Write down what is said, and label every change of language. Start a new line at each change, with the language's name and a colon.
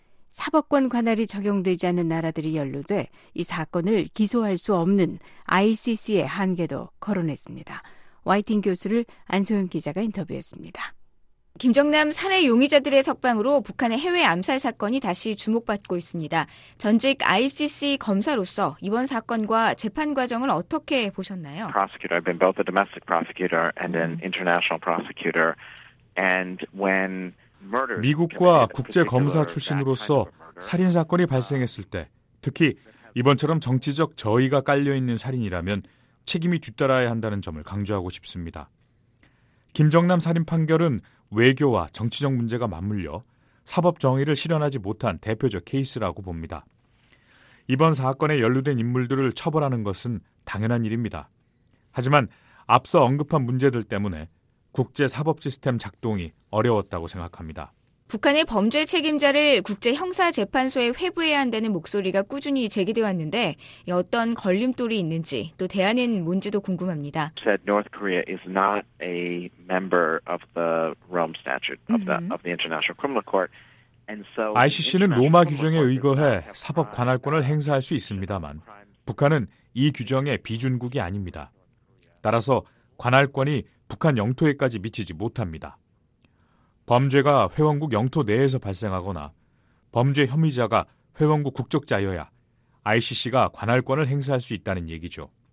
Korean: 사법권 관할이 적용되지 않는 나라들이 연루돼 이 사건을 기소할 수 없는 ICC의 한계도 거론했습니다. 화이팅 교수를 안소윤 기자가 인터뷰했습니다. 김정남 살해 용의자들의 석방으로 북한의 해외 암살 사건이 다시 주목받고 있습니다. 전직 ICC 검사로서 이번 사건과 재판 과정을 어떻게 보셨나요?
English: Prosecutor, I've been both a domestic prosecutor and an international prosecutor. And when murder
Korean: 미국과 국제 검사 출신으로서 살인 사건이 발생했을 때, 특히 이번처럼 정치적 저의가 깔려 있는 살인이라면 책임이 뒤따라야 한다는 점을 강조하고 싶습니다. 김정남 살인 판결은 외교와 정치적 문제가 맞물려 사법 정의를 실현하지 못한 대표적 케이스라고 봅니다. 이번 사건에 연루된 인물들을 처벌하는 것은 당연한 일입니다. 하지만 앞서 언급한 문제들 때문에 국제 사법 시스템 작동이 어려웠다고 생각합니다. 북한의 범죄 책임자를 국제형사재판소에 회부해야 한다는 목소리가 꾸준히 제기되어 왔는데 어떤 걸림돌이 있는지 또 대안은 뭔지도 궁금합니다.
English: Said North Korea is not a member of the Rome Statute of the International Criminal Court.
Korean: ICC는 로마 규정에 의거해 사법 관할권을 행사할 수 있습니다만 북한은 이 규정의 비준국이 아닙니다. 따라서 관할권이 북한 영토에까지 미치지 못합니다. 범죄가 회원국 영토 내에서 발생하거나 범죄 혐의자가 회원국 국적자여야 ICC가 관할권을 행사할 수 있다는 얘기죠.